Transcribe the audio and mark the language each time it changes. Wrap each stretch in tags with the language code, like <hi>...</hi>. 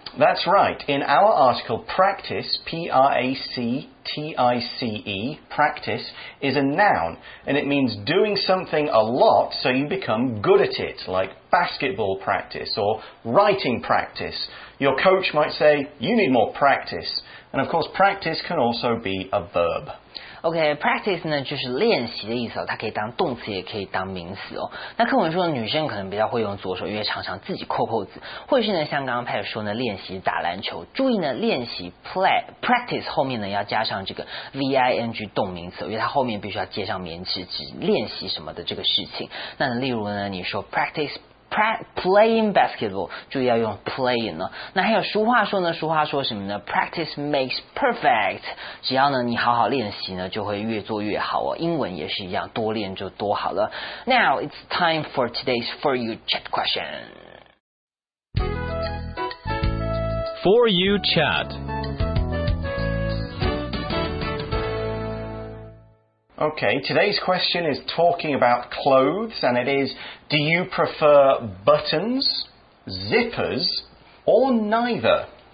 <en>That's right, in our article practice, P-R-A-C-T-I-C-E, practice is a noun, and it means doing something a lot so you become good at it, like basketball practice or writing practice. Your coach might say, you need more practice. And of course, practice can also be a verb.</en> <zh>OK, practice 呢就是练习的意思哦，它可以当动词也可以当名词哦。那课文说女生可能比较会用左手，因为常常自己扣扣子，或者是呢像刚刚 Pat 说呢练习打篮球。注意呢练习 practice 后面呢要加上这个 ving 动名词，因为它后面必须要接上名词，指练习什么的这个事情。那例如呢你说 practice。</zh> <en>Playing basketball,</en> <zh>注意要用 playing 呢。那还有俗话说呢，俗话说什么呢？</zh> <en>Practice makes perfect.</en> <zh>只要呢你好好练习呢，就会越做越好哦。英文也是一样，多练就多好了。</zh> <en>Now it's time for today's For You Chat question. For You Chat. Okay, today's question is talking about clothes, and it is, do you prefer buttons, zippers, or neither?</en>